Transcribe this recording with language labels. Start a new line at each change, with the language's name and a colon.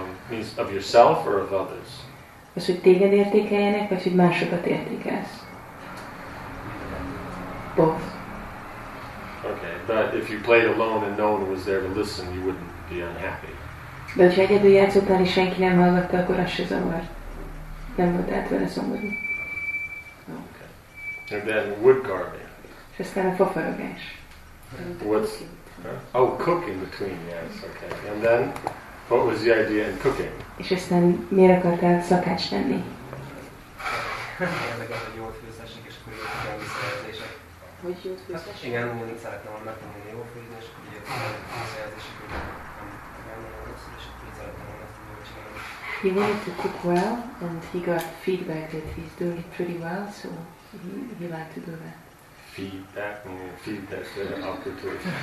English: Means of yourself or of others?
Hungarian: Az, hogy téged értékeljenek, vagy hogy másokat értékelsz?
English: Both. Okay, but if you played alone and no one was there to listen, you wouldn't be unhappy.
Hungarian: De ha egyedül játszottál és senki nem hallgatta, akkor az se zavar. Nem volt át vele szomorú.
English: Okay. And then wood carving.
Hungarian: És aztán a fofarogás.
English: What's... Huh? Oh, cooking between, yes, okay. And then... What was the idea in cooking?
Hungarian: És aztán miért akartál szakács lenni? Érdekel, hogy jót főzhessek, és akkor jöttek el visszajelzések. Hogy jót főzhessek? Igen, mindig szeretném megtanulni jó főzni, és akkor jöttek el visszajelzések, hogy nem nagyon rosszul, és akkor szeretném megtanulni jól csinálni.
English: He wanted to cook well, and he got feedback that he's doing it pretty well, so he liked to do that. Feedback? Feedback, so they're up to it.